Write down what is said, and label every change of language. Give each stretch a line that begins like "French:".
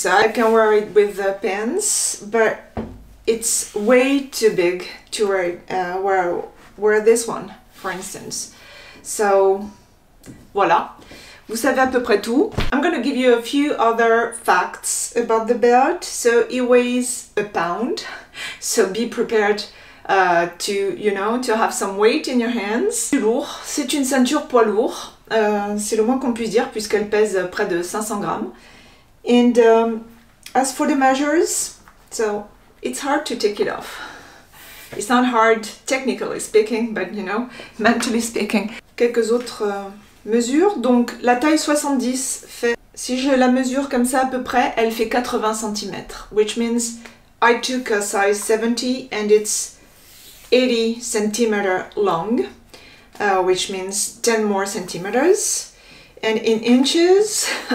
English: So I can wear it with pants, but it's way too big to wear this one, for instance.
French: So, voilà. Vous savez à peu près tout.
English: I'm gonna give you a few other facts about the belt. So it weighs 1 pound. So be prepared. To, you know, to have some weight in your hands.
French: C'est lourd, c'est une ceinture poids lourd, c'est le moins qu'on puisse dire puisqu'elle pèse près de 500 grammes.
English: And as for the measures, so it's hard to take it off. It's not hard technically speaking, but you know, mentally speaking.
French: Quelques autres mesures, donc la taille 70 fait, si je la mesure comme ça à peu près, elle fait 80 cm,
English: which means I took a size 70 and it's 80 centimeters long, which means 10 more centimeters, and in inches.